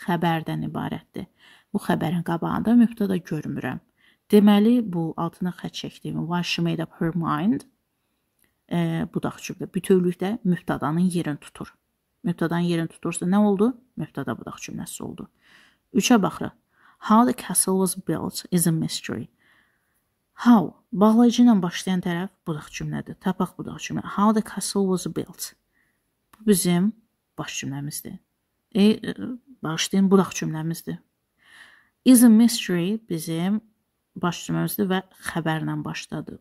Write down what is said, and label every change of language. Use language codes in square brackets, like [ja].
[az] Xəbərdən ibarətdir. Bu xəbərin qabağında mübtəda görmürəm. Deməli, bu altına xətt çəkdiyim [en] why she made up her mind? [az] Budaq cümlə bütövlükdə mübtədanın yerini tutur. Mübtədanın yerini tutursa nə oldu? Mübtəda budaq cümləsi oldu. Üçə baxırıq. [en] How the castle was built is a mystery. How? [az] Bağlayıcı ilə başlayan tərəf budaq cümlədir. Tapaq budaq cümlə. [en] How the castle was built. [az] Bu bizim baş cümləmizdir. Başlayın budaq cümləmizdir. [en] Is a mystery [az] bizim baş cümləmizdir və xəbərlə başladı.